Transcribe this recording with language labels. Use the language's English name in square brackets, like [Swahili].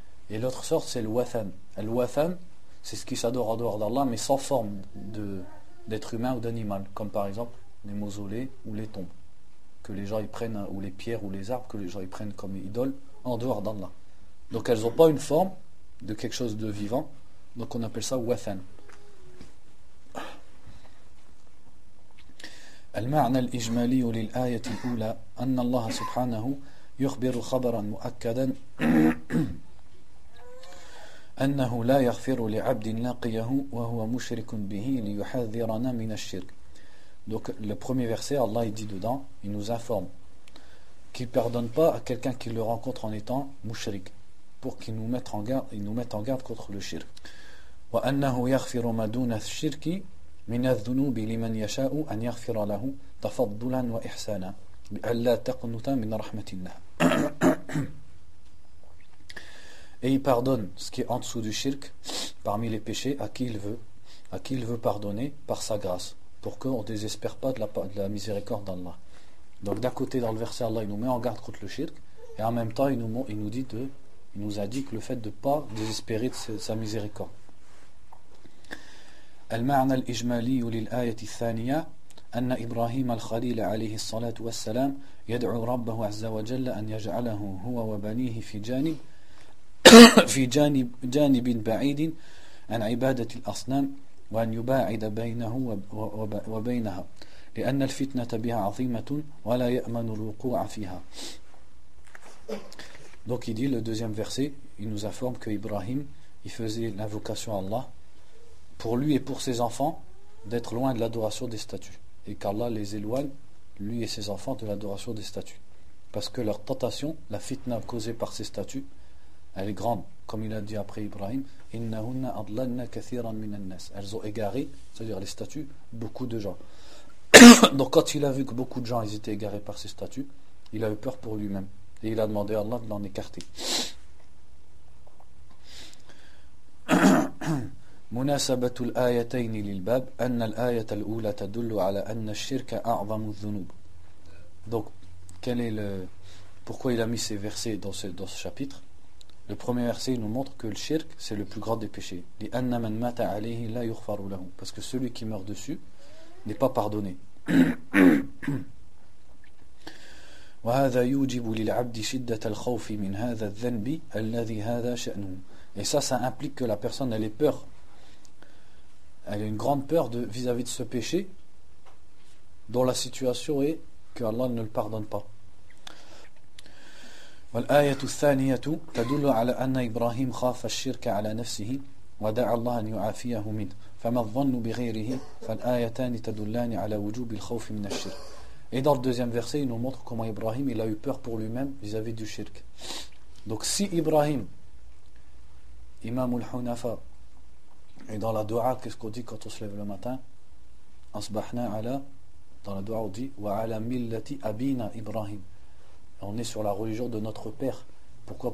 [French] Et l'autre sorte, c'est le Wathan. Le Wathan, c'est ce qui s'adore en dehors d'Allah, mais sans forme d'être humain ou d'animal, comme par exemple les mausolées ou les tombes, que les gens y prennent, ou les pierres ou les arbres, que les gens y prennent comme idoles en dehors d'Allah. Donc elles n'ont pas une forme de quelque chose de vivant, donc on appelle ça Wathan. [Arabic] المعنى الإجمالي للآية الأولى أن الله سبحانه يخبر خبرا مؤكدا أنه لا يغفر لعبد لاقيه وهو مشرك به ليحذرنا من الشرك. [French] Donc le premier verset, Allah dit dedans, il nous informe qu'il ne pardonne pas à quelqu'un qui le rencontre en étant mushrik, pour qu'il nous mette en garde, il nous mette en garde contre le shirk. [Arabic] وأنه يغفر ما دون الشرك من الذنوب لمن يشاء أن يغفر له تفضلا وإحسانا ألا تقنط من رحمة الله. [French] Et il pardonne ce qui est en dessous du shirk, parmi les péchés, à qui il veut pardonner par sa grâce, pour qu'on ne désespère pas de la miséricorde d'Allah. Donc d'un côté, dans le verset, Allah il nous met en garde contre le shirk, et en même temps il nous indique le fait de ne pas désespérer de sa miséricorde. [Arabic] المعنى الإجمالي للآية الثانية أن إبراهيم الخليل عليه الصلاة والسلام يدعو ربه عز وجل أن يجعله هو وبنيه في جانب جانب بعيد عن عبادة الأصنام وأن يباعد بينه وبينها لأن الفتنة بها عظيمة ولا يأمن الوقوع فيها. [French] Donc il dit le deuxième verset, il nous informe que Ibrahim il faisait l'invocation à Allah pour lui et pour ses enfants d'être loin de l'adoration des statues, et qu'Allah les éloigne, lui et ses enfants, de l'adoration des statues, parce que leur tentation, la fitna causée par ces statues, elle est grande, comme il a dit après Ibrahim, [Arabic] innahunna adlanna kathiran minan nas, [French] elles ont égaré, c'est-à-dire les statues, beaucoup de gens. Donc quand il a vu que beaucoup de gens étaient égarés par ces statues, il a eu peur pour lui-même et il a demandé à Allah de l'en écarter. [Arabic] مناسبة الآيتين للباب أن الآية الأولى تدل على أن الشرك أعظم الذنوب. [French] Donc, quel est le pourquoi il a mis ces versets dans ce chapitre? Le premier verset nous montre que le shirk c'est le plus grand des péchés. [Arabic] لأن من مات عليه لا يغفر له, [French] parce que celui qui meurt dessus n'est pas pardonné. [Arabic] وهذا يوجب للعبد شدة الخوف من هذا الذنب الذي هذا شأنه. [French] Et ça implique que la personne elle ait peur. Elle a une grande peur de, vis-à-vis de ce péché dont la situation est que Allah ne le pardonne pas. [Arabic] والآية الثانية تدل على أن إبراهيم خاف الشرك على نفسه ودعا الله أن يعافيه منه فما الظن بغيره فالآيتان تدلان على وجوب الخوف من الشرك. [French] Et dans le deuxième verset, il nous montre comment Ibrahim il a eu peur pour lui-même vis-à-vis du shirk. Donc si Ibrahim, Imam al-Hunafa, et dans la dua, qu'est-ce qu'on dit quand on se lève le matin? Asbahna ala. Dans la dua, on dit [Arabic] wa ala millati abina Ibrahim. [French] On est sur la religion de notre père. Pourquoi?